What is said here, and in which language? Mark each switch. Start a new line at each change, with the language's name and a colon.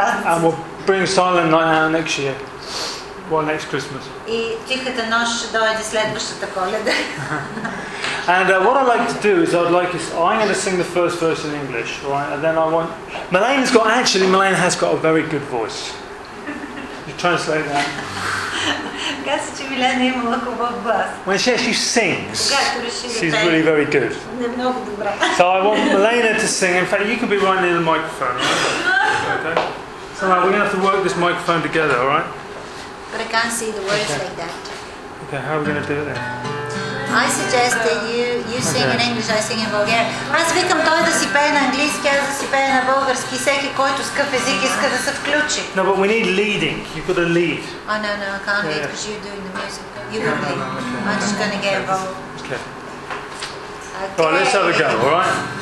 English: And we'll bring Silent Night out next year. Well, next Christmas.
Bulgarian: И тихата нощ ще дойде следващата Коледа.
English: And what I'd like to do is I'd like is I'm going to sing the first verse in English, right? And then I want Melaine's got actually Melaine has got a very good voice. You translate that. When she actually sings, she's really very good. So I want Melaine to sing. In fact, you could be right near the microphone. Right? Okay. So we're going to have to work this microphone together, all right? But I can't see the words like that. Okay. How are we going to do it then? I suggest that you sing in English, I sing in Bulgarian.
Bulgarian: Аз викам той да си пее на английски, аз да си пее на български. Всеки, който скъп език иска да се включи.
English: No, but we need leading. You've got to lead. Oh, no, I can't lead because you're doing the music. You will lead. I'm just going to get involved. Okay. Right, let's have a go, all right?